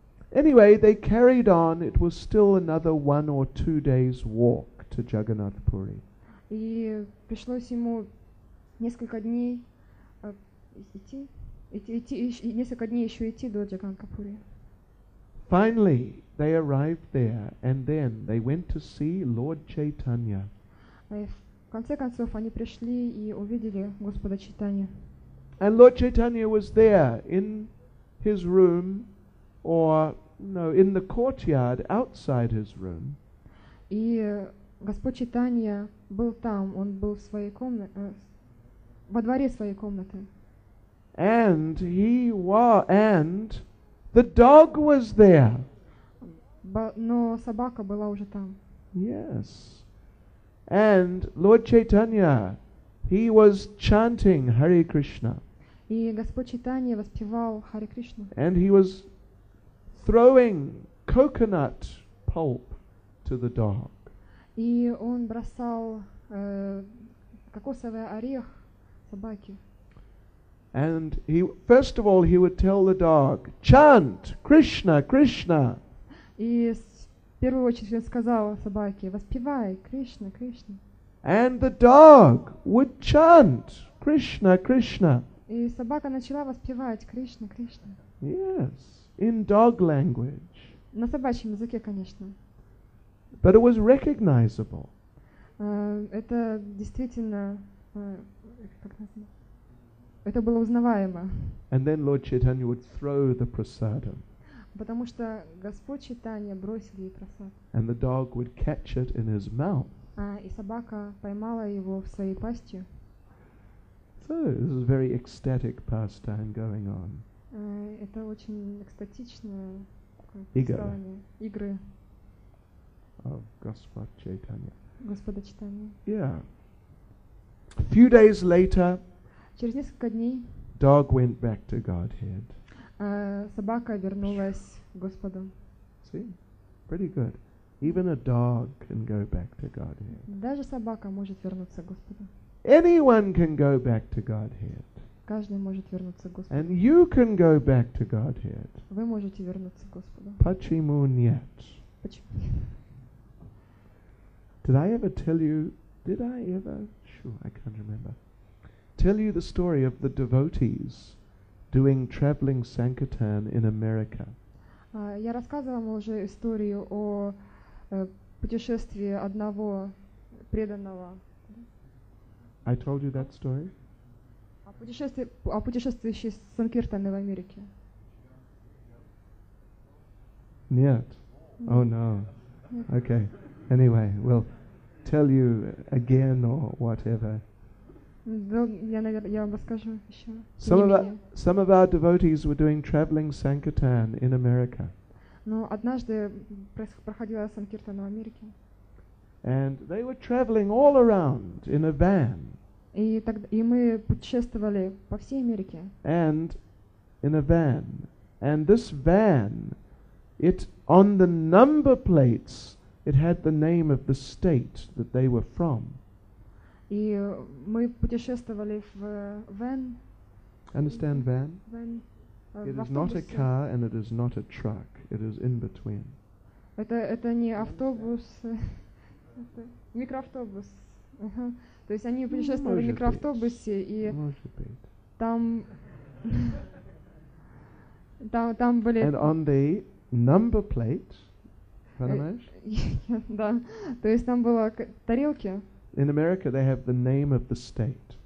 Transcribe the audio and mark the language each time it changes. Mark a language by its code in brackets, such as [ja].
[en] Anyway, they carried on. It was still another 1 or 2 days' walk to Jagannath Puri. [ru] И пришлось ему несколько дней несколько дней еще идти до Джаганнатха Пури. [en] Finally, they arrived there, and then they went to see Lord Chaitanya. [ru] В конце концов, они пришли и увидели Господа Чайтанью. [en] And Lord Chaitanya was there in his room, in the courtyard outside his room. [ru] И Господь Чайтанья был там, он был в своей комнате, во дворе своей комнаты. [en] And the dog was there. [ru] Но собака была уже там. [en] Yes. And Lord Chaitanya, he was chanting Hare Krishna. [ru] И Господь Чайтанья воспевал Харе Кришну. [en] And he was throwing coconut pulp to the dog. [ru] И он бросал кокосовый орех собаке. [en] And he first of all he would tell the dog, chant Krishna, Krishna. [ru] В первую очередь он сказал собаке, воспевай, Кришна, Кришна. [en] And the dog would chant, Krishna, Krishna. [ru] И собака начала воспевать, Кришна, Кришна. [en] Yes, in dog language. [ru] На собачьем языке, конечно. [en] But it was recognizable. [ru] Это действительно, как назвать, это было узнаваемо. [en] And then Lord Chaitanya would throw the prasadam. [ru] Потому что Господь Чайтанья бросил ей просад. [en] And the dog would catch it in his mouth. [ru] И собака поймала его в своей пастью. [en] So, this is a very ecstatic pastime going on. [ru] Это очень экстатичное представление. Игры. [en] Of Господь Чайтанья. [ru] Господа Чайтанья. [en] Yeah. A few days later, [ru] через несколько дней, [en] dog went back to Godhead. [ru] Собака вернулась к Господу. [en] See? Pretty good. Even a dog can go back to Godhead. [ru] Даже собака может вернуться к Господу. [en] Anyone can go back to Godhead. [ru] Каждый может вернуться к Господу. [en] And you can go back to Godhead. [ru] Вы можете вернуться к Господу. Почему нет? [en] Did I ever tell you? Did I ever? Sure, I can't remember. Tell you the story of the devotees doing traveling sankirtan in America. [ru] Я рассказывала вам уже историю о путешествии одного преданного. [en] I told you that story? [ru] О путешествующей санкиртаны в Америке. Нет. [en] Oh no. Okay. Anyway, we'll tell you again or whatever. [ru] Я вам расскажу еще. [en] Some of our devotees were doing traveling sankirtan in America. [ru] Но однажды проходила санкиртана в Америке. [en] And they were traveling all around in a van. [ru] И мы путешествовали по всей Америке. [en] And in a van. And this van, it on the number plates, it had the name of the state that they were from. [ru] И мы путешествовали в van. [en] Understand van? Van. It is not a car and it is not a truck. It is in between. [ru] Это не автобус. Это микроавтобус. То есть они путешествовали в микроавтобусе и там были. [en] And on the number plate, [ru] понимаешь? Да, то есть там было тарелки. [en] In America they have the name of the state.